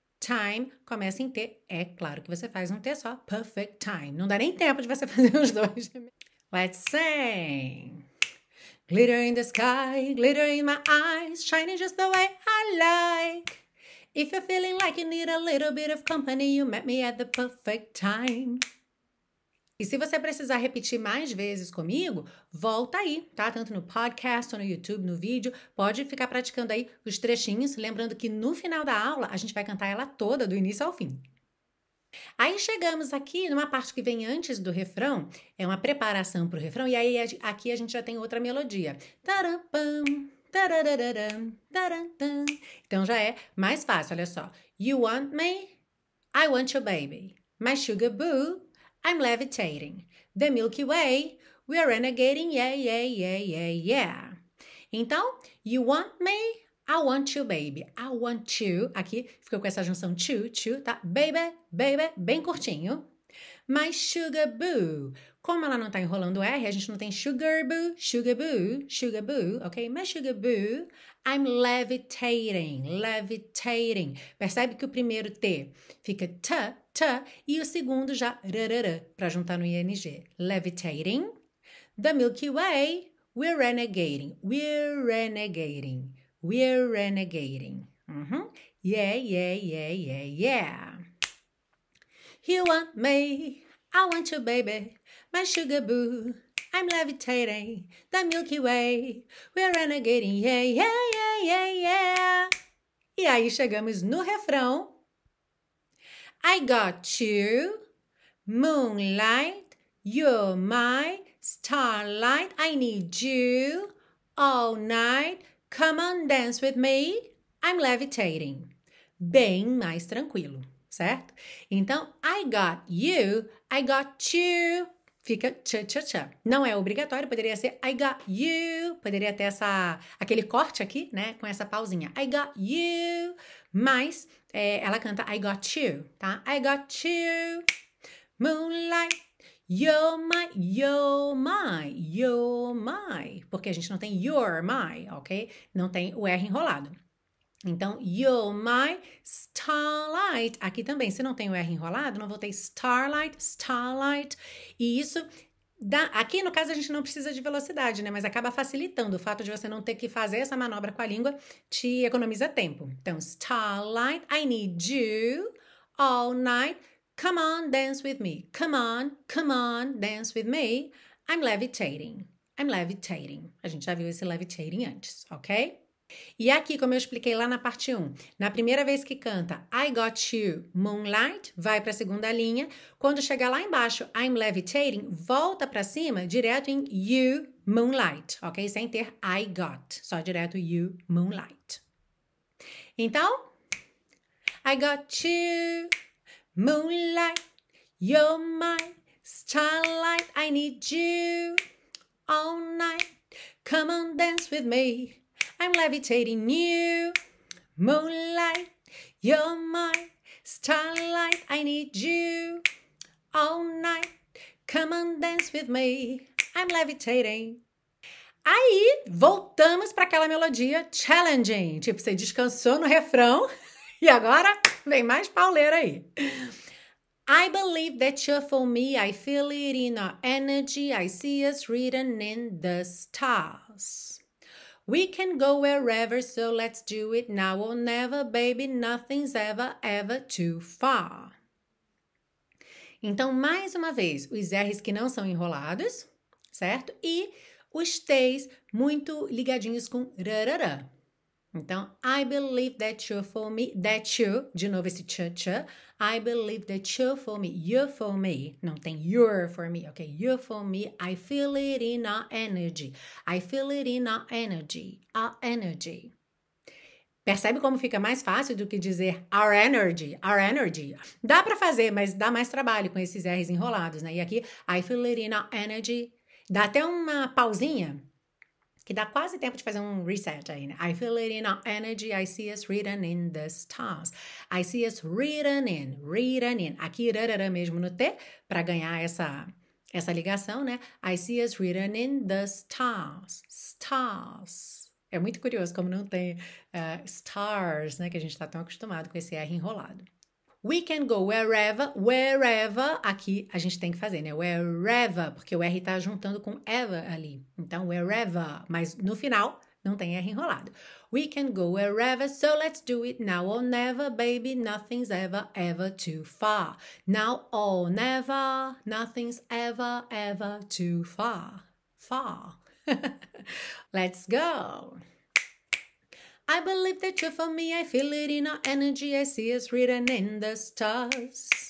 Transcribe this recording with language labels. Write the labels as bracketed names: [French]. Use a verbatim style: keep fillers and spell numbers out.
[Portuguese] Time, começa em T. É claro que você faz um T só. [English] Perfect time. [Portuguese] Não dá nem tempo de você fazer os dois. [English] Let's sing. Glitter in the sky, glitter in my eyes, shining just the way I like. If you're feeling like you need a little bit of company, you met me at the perfect time. [Portuguese] E se você precisar repetir mais vezes comigo, volta aí, tá? Tanto no podcast ou no YouTube, no vídeo. Pode ficar praticando aí os trechinhos. Lembrando que no final da aula, a gente vai cantar ela toda, do início ao fim. Aí chegamos aqui numa parte que vem antes do refrão. É uma preparação para o refrão. E aí aqui a gente já tem outra melodia. Tarampam, tararararam, tarantam. Então já é mais fácil, olha só. [English] You want me? I want your baby. My sugar boo. I'm levitating. The Milky Way, we're renegading, yeah, yeah, yeah, yeah, yeah. Então, you want me, I want you, baby. I want you. [Portuguese] Aqui ficou com essa junção to, to, tá? [English] Baby, baby, [Portuguese] bem curtinho. [English] My sugar boo. [Portuguese] Como ela não tá enrolando R, a gente não tem [English] sugar boo, sugar boo, sugar boo, [Portuguese] ok? [English] My sugar boo, I'm levitating, levitating. [Portuguese] Percebe que o primeiro T fica T, T, e o segundo já rararã, pra juntar no I N G. [English] Levitating. The Milky Way, we're renegading, we're renegading, we're renegading. Uhum. Yeah, yeah, yeah, yeah, yeah. You want me, I want you, baby, my sugar boo, I'm levitating, the Milky Way, we're renegading, yeah, yeah, yeah, yeah, yeah. [Portuguese] E aí chegamos no refrão. [English] I got you, moonlight, you're my starlight, I need you, all night, come on dance with me, I'm levitating. [Portuguese] Bem mais tranquilo. Certo? Então, [English] I got you, I got you, [Portuguese] fica tcha tcha tcha. Não é obrigatório, poderia ser [English] I got you, [Portuguese] poderia ter essa, aquele corte aqui, né, com essa pausinha. [English] I got you, [Portuguese] mas é, ela canta [English] I got you, tá? I got you, moonlight, you're my, you're my, you're my, [Portuguese] porque a gente não tem [English] you're my, ok? [Portuguese] Não tem o R enrolado. Então, [English] you're my starlight. [Portuguese] Aqui também, se não tem o R enrolado, não voltei [English] starlight, starlight. [Portuguese] E isso, dá, aqui no caso a gente não precisa de velocidade, né? Mas acaba facilitando o fato de você não ter que fazer essa manobra com a língua, te economiza tempo. [English] Então, starlight, I need you, all night, come on, dance with me. Come on, come on, dance with me. I'm levitating, I'm levitating. [Portuguese] A gente já viu esse levitating antes, ok? E aqui, como eu expliquei lá na parte um, na primeira vez que canta [English] I got you, moonlight, [Portuguese] vai para a segunda linha. Quando chegar lá embaixo, [English] I'm levitating, [Portuguese] volta para cima, direto em [English] you, moonlight, [Portuguese] ok? Sem ter [English] I got, [Portuguese] só direto [English] you, moonlight. Então, I got you, moonlight, you're my starlight, I need you, all night, come on dance with me. I'm levitating you, moonlight, you're my starlight, I need you, all night, come on dance with me, I'm levitating. [Portuguese] Aí, voltamos para aquela melodia challenging. Tipo, você descansou no refrão e agora vem mais pauleira aí. [English] I believe that cheerful me, I feel it in our energy, I see us written in the stars. We can go wherever, so let's do it now or never, baby, nothing's ever, ever too far. [Portuguese] Então, mais uma vez, os R's que não são enrolados, certo? E os T's muito ligadinhos com rararã. [English] Então, I believe that you're for me, that you, [Portuguese] de novo esse tcha-tcha, [English] I believe that you're for me, you're for me, [Portuguese] não tem [English] you're for me, ok? You're for me, I feel it in our energy, I feel it in our energy, our energy. [Portuguese] Percebe como fica mais fácil do que dizer [English] our energy, our energy? [Portuguese] Dá pra fazer, mas dá mais trabalho com esses R's enrolados, né? E aqui, [English] I feel it in our energy, [Portuguese] dá até uma pausinha, que dá quase tempo de fazer um reset aí, né? [English] I feel it in our energy, I see us written in the stars. I see us written in, written in. [Portuguese] Aqui, rarará mesmo no T, para ganhar essa, essa ligação, né? [English] I see us written in the stars, stars. [Portuguese] É muito curioso como não tem eh, [English] stars, [Portuguese] né? Que a gente está tão acostumado com esse R enrolado. [English] We can go wherever, wherever, [Portuguese] aqui a gente tem que fazer, né? Wherever, porque o R tá juntando com ever ali. Então, wherever, mas no final não tem R enrolado. [English] We can go wherever, so let's do it now or never, baby, nothing's ever, ever too far. Now or never, nothing's ever, ever too far. Far. Let's go. I believe that you're for me, I feel it in our energy, I see us written in the stars.